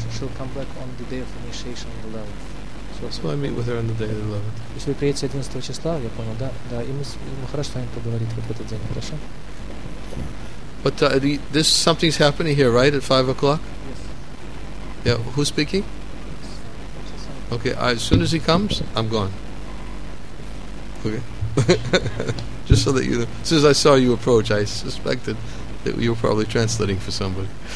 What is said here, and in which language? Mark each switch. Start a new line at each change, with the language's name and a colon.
English: She'll come back on the day of initiation on the 11th. So I meet with her on the day of the 11th.
Russian: Если вы приедете 11 числа, я понял, да? Да, и мы хорошо с вами поговорим вот в этот день, хорошо?
English: But this something's happening here, right, at 5 o'clock? Yes. Yeah, who's speaking? Okay, as soon as he comes, I'm gone. Okay? Just so that you know. As soon as I saw you approach, I suspected that you were probably translating for somebody.